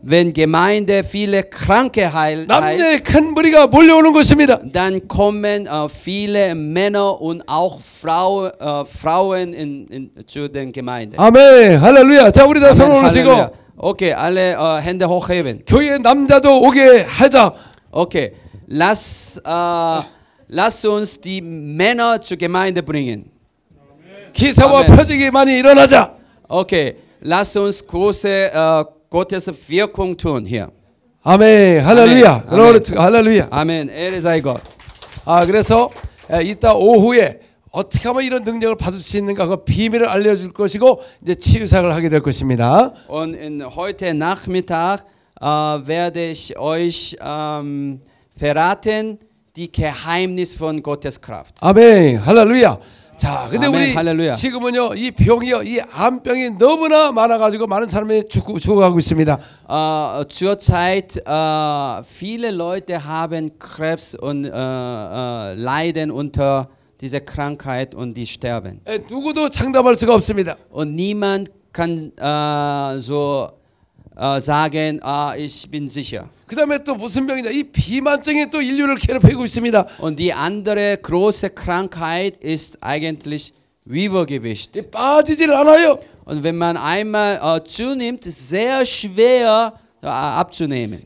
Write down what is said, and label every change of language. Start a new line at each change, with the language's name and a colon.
German: wenn Gemeinde viele Kranke heilt,
Korean: 남녀의 큰 무리가 몰려오는 것입니다.
German: Dann kommen viele Männer und auch Frauen in zu den Gemeinden.
Korean: Amen, Halleluja. 자, 우리 다 손 올리시고.
German: Okay, alle Hände hochheben.
Korean: 교회 남자도 오게 하자.
German: Okay, lass uns die Männer zur Gemeinde bringen.
Korean: 기사와 Amen. 표적이 많이 일어나자.
German: Okay, lass uns große Gottes Wirkung tun hier.
English: Amen. Halleluja. Glory to Halleluja.
German: Amen. Ehre sei Gott.
Korean: 아, 그래서 이따 오후에 어떻게 하면 이런 능력을 받을 수 있는가 그 비밀을 알려 줄 것이고 이제 치유 사역을 하게 될 것입니다.
German: Und in heute Nachmittag werde ich euch verraten die Geheimnis von Gottes Kraft. Amen. Halleluja.
Korean: 자, 근데 아멘, 우리 할렐루야. 지금은요 이 병이요 이 암병이 너무나 많아가지고 많은 사람이 죽어가고 있습니다.
German: Zur Zeit viele Leute haben Krebs und leiden unter dieser Krankheit und die sterben.
Korean: 에, 누구도 장담할 수가 없습니다.
German: Und niemand kann so sagen, ich bin sicher.
Korean: 그 다음에 또 무슨 병이냐? 이 비만증이 또 인류를 괴롭히고 있습니다.
German: Und die andere große Krankheit ist eigentlich Übergewicht.
Korean: 빠지질 않아요.
German: Und wenn man einmal zunimmt, sehr schwer abzunehmen.